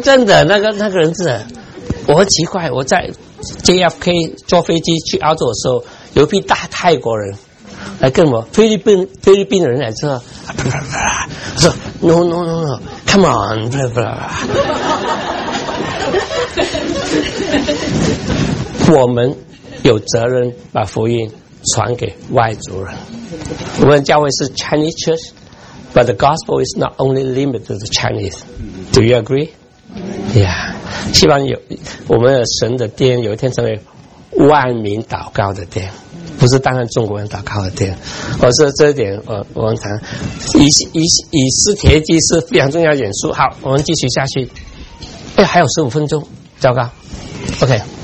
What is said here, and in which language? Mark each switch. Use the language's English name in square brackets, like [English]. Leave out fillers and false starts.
[Chinese] 真的，那个人真的，我很奇怪，我在 JFK 坐飞机去澳洲的时候，有一批大泰国人来跟我，菲律宾人来说，不不不，说 [English] No No No No Come on, [Chinese] 不不不。我们有责任把福音传给外族人。我们教会是 [English] Chinese Church, but the gospel is not only limited to the Chinese. Do you agree? Yeah. [Chinese] 希望有我们的神的殿有一天成为万民祷告的殿，不是单单中国人祷告的殿。我说这一点，我们谈以斯帖记是非常重要的演说。好，我们继续下去。哎，还有十五分钟，糟糕。OK。